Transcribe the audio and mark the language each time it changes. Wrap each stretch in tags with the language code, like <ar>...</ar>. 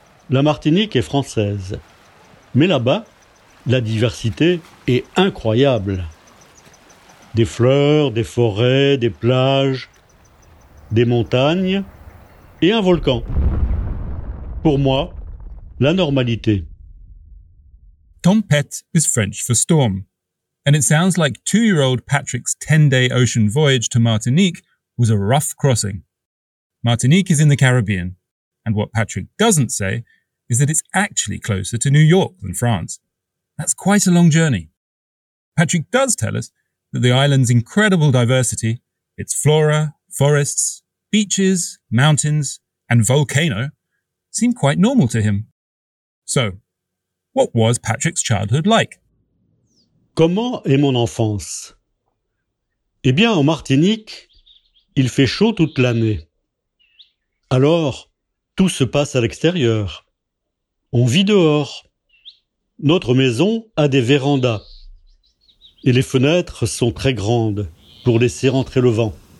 <fr>La Martinique est française, mais là-bas, la diversité est incroyable. Des fleurs, des forêts, des plages, des montagnes et un volcan. Pour moi, la normalité.</fr> <en>Tempête is French for storm. And it sounds like 2-year-old Patrick's 10-day ocean voyage to Martinique was a rough crossing. Martinique is in the Caribbean, and what Patrick doesn't say is that it's actually closer to New York than France. That's quite a long journey. Patrick does tell us that the island's incredible diversity, its flora, forests, beaches, mountains, and volcano, seem quite normal to him. So, what was Patrick's childhood like?</en> <fr>Comment est mon enfance? Eh bien, en Martinique, il fait chaud toute l'année. Alors, tout se passe à l'extérieur. On vit dehors. Notre maison a des vérandas. Et les fenêtres sont très grandes pour laisser entrer le vent.</fr>